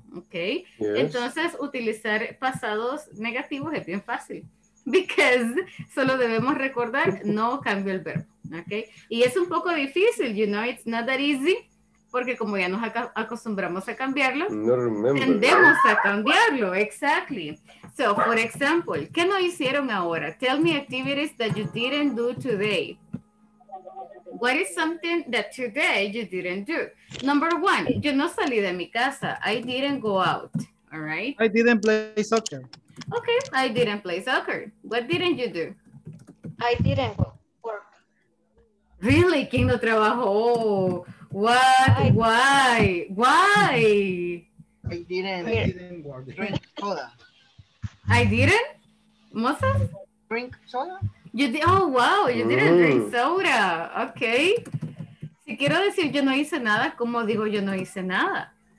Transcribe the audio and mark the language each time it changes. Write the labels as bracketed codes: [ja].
[es] Ok, yes. Entonces utilizar pasados negativos es bien fácil, [en] because [es] solo debemos recordar, no cambio el verbo, ok, y es un poco difícil, [en] you know, it's not that easy, [es] porque como ya nos acostumbramos a cambiarlo, [en] no remember, [es] tendemos a cambiarlo, [en] exactly, so, for example, [es] ¿qué no hicieron ahora? [en] Tell me activities that you didn't do today. What is something that today you didn't do? Number one, [es] yo no salí de mi casa. [en] I didn't go out, all right? I didn't play soccer. Okay, I didn't play soccer. What didn't you do? I didn't work. Really? [es] ¿Quién no trabajó? [en] What? Why? Why? I didn't work. Drink soda. Moses? Drink soda? You did, oh, wow, you didn't drink soda. Okay. [es] Si quiero decir yo no hice nada, ¿cómo digo yo no hice nada?